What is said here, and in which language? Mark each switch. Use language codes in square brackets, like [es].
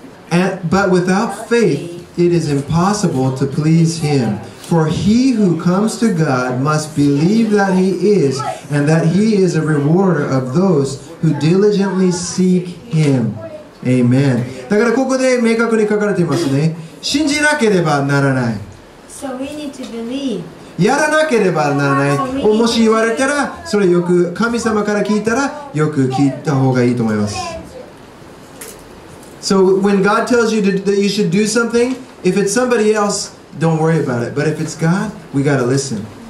[en] But without faith, it is impossible to please Him. For he who comes to God must believe that He is, and that He is a rewarder of those who diligently seek Him. Amen. [ja] だからここで明確に書かれていますね。信じなければならない。 [en] So we need to believe. [ja] やらなければならない。もし言われたら、それよく神様から聞いたら、よく聞いた方がいいと思います。 [en] So when God tells you that you should do something, if it's somebody else, don't worry about it. But if it's God, we gotta listen.